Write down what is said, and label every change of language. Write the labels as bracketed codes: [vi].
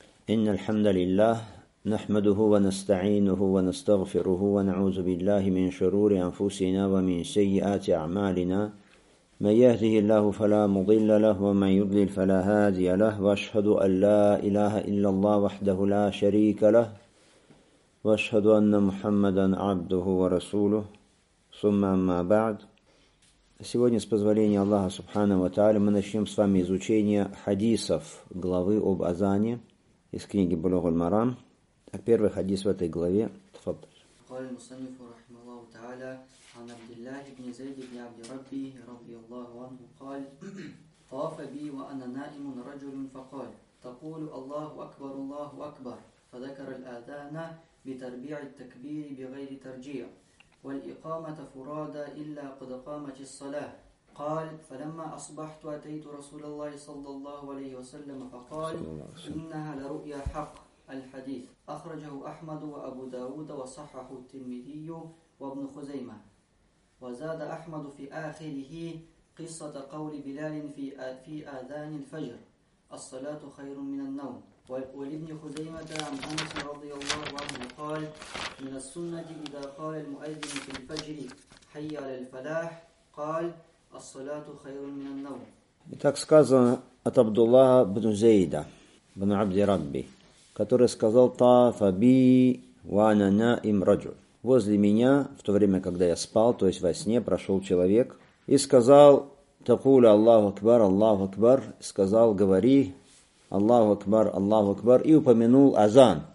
[ar] إن الحمد لله نحمده ونستعينه ونستغفره ونعوذ بالله من شرور أنفسنا ومن سيئات أعمالنا من يهده الله فلا مضل له ومن يضلل فلا هادي له وأشهد أن لا إله إلا الله وحده لا شريك له وأشهد أن محمدا عبده ورسوله ثم أما بعد. [ru] Сегодня, с позволения Аллаха Субхана ва Тааля, мы начнем с вами изучение хадисов главы об азане из книги Булугуль Марам. Первый хадис в этой главе. [ar] قال المصنف رحمه الله تعالى عن عبد الله بن زيد بن عبد ربي رضي الله عنه قال طاف بي وأنا نائم رجل فقال تقول الله أكبر الله أكبر فذكر الأذان بتربيع التكبير بغير ترجيع والإقامة فرادى إلا قد قامت الصلاة قال فلما أصبحت أتيت رسول الله صلى الله عليه وسلم فقال إنها لرؤيا حق الحديث أخرجه أحمد وأبو داود وصححه الترمذي وابن خزيمة وزاد أحمد في آخره قصة قول بلال في آذان الفجر الصلاة خير من النوم ولابن خزيمة عن أنس رضي الله عنه قال من السنة إذا قال المؤذن في الفجر حي على الفلاح قال الصلاة خير من النوم. [ru] Итак, сказано от Абдуллаха бин Зейда бин Абди Рабби, который сказал [ar] «Тафа би вана на им раджу». [ru] Возле меня, в то время, когда я спал, то есть во сне, прошел человек и сказал [ar] «Такуля Аллаху Акбар, Аллаху Акбар», [ru] сказал «Говори Аллаху Акбар, Аллаху Акбар» и упомянул азан.